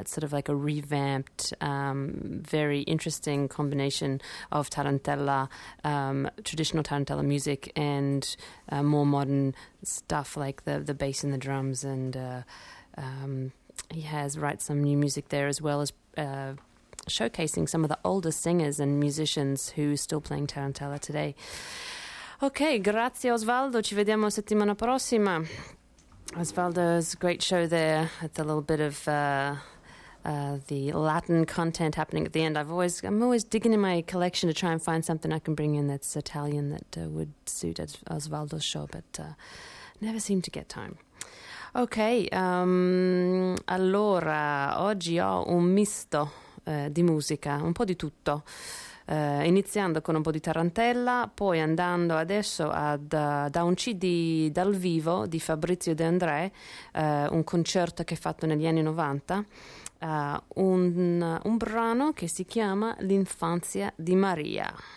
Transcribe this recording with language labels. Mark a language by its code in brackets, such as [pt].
[en] It's sort of like a revamped, very interesting combination of tarantella, traditional tarantella music, and more modern stuff like the bass and the drums. And he has written some new music there, as well as showcasing some of the older singers and musicians who are still playing tarantella today. [it] Ok, grazie Osvaldo, ci vediamo settimana prossima. [en] Osvaldo's great show there. It's a little bit of the Latin content happening at the end. I'm always digging in my collection to try and find something I can bring in that's Italian that would suit Osvaldo's show, but never seem to get time. [it] Ok, allora, oggi ho un misto di musica, un po' di tutto. Iniziando con un po' di tarantella, poi andando adesso da un CD dal vivo di Fabrizio De André, un concerto che è fatto negli anni 90, un brano che si chiama L'infanzia di Maria.